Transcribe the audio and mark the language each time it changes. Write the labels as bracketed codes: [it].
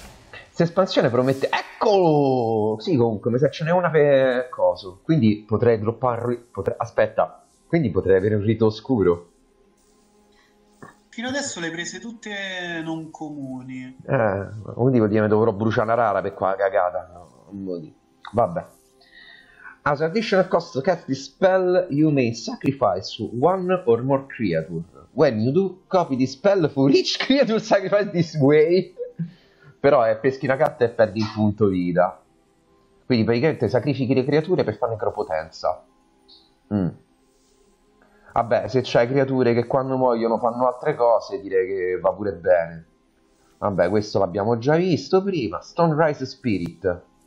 [it] Questa espansione promette, eccolo! Sì, comunque, se ce n'è una per coso, quindi potrei droppare, aspetta, quindi potrei avere un rito oscuro. Fino adesso le hai prese tutte non comuni. Quindi vuol dire che dovrò bruciare una rara per quella cagata. Vabbè. [en] As additional cost to cast this spell, you may sacrifice one or more creature. When you do, copy this spell for each creature sacrificed this way. [it] Però peschi una carta e perdi il punto vita. Quindi praticamente sacrifichi le creature per fare necropotenza. Vabbè, se c'hai creature che quando muoiono fanno altre cose, direi che va pure bene. Vabbè, questo l'abbiamo già visto prima. Stonerise Spirit.